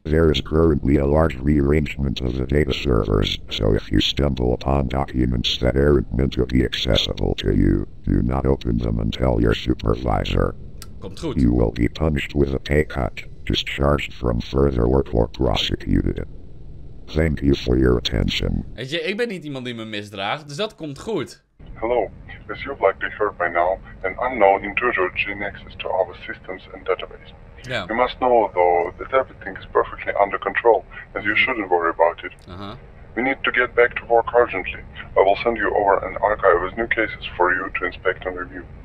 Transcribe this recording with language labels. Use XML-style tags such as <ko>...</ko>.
<en>There is currently a large rearrangement of the data servers, so if you stumble upon documents that aren't meant to be accessible to you, do not open them until your supervisor.</en> <nl>Komt goed.</nl> <en>You will be punished with a pay cut, discharged from further work or prosecuted. Thank you for your attention.</en> <nl>Weet je, ik ben niet iemand die me misdraagt, dus dat komt goed.</nl> <en>Hello. As you've likely heard by now, an unknown intruder gained access to our systems and database. Yeah. You must know, though, that everything is perfectly under control, and you shouldn't worry about it. Uh-huh. We need to get back to work urgently. I will send you over an archive with new cases for you to inspect and review.</en>